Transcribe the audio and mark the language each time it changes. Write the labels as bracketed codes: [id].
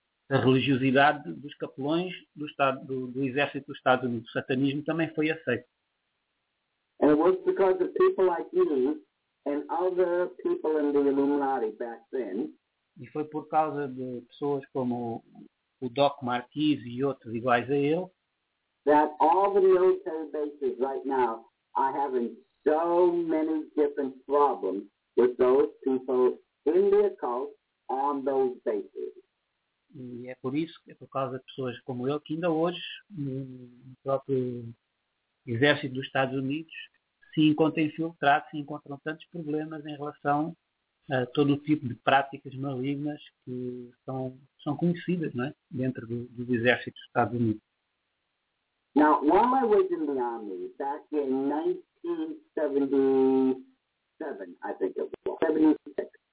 [pt] a religiosidade dos capelões do Estado, do exército dos Estados Unidos. O satanismo também foi aceito. [en] And it was because of people like me and other people in the Illuminati back then. [pt] E foi por causa de pessoas como o Doc Marquis e outros iguais a ele. [en] That all the military bases right now are having so many different problems with those people in the occult on those bases. [pt] E é por isso, é por causa de pessoas como ele, que ainda hoje no próprio exército dos Estados Unidos se encontra infiltrado, se encontram tantos problemas em relação a todo o tipo de práticas malignas que são conhecidas, não é? Dentro do exército dos Estados Unidos. [en] Now, while I was in the Army, back in 1977,